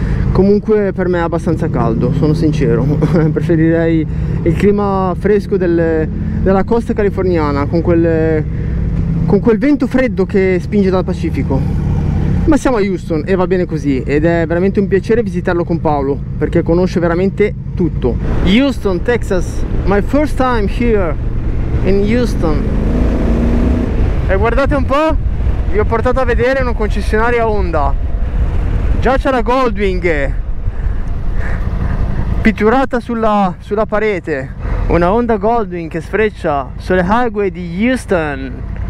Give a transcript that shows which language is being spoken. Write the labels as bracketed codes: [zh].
[it] Comunque per me è abbastanza caldo, sono sincero. Preferirei il clima fresco della costa californiana con quel vento freddo che spinge dal Pacifico. Ma siamo a Houston e va bene così, ed è veramente un piacere visitarlo con Paolo, perché conosce veramente tutto. [en] Houston, Texas, my first time here in Houston. [it] E guardate un po', vi ho portato a vedere una concessionaria Honda. Già c'è la Goldwing pitturata sulla parete. Una Honda Goldwing che sfreccia sulle highway di Houston.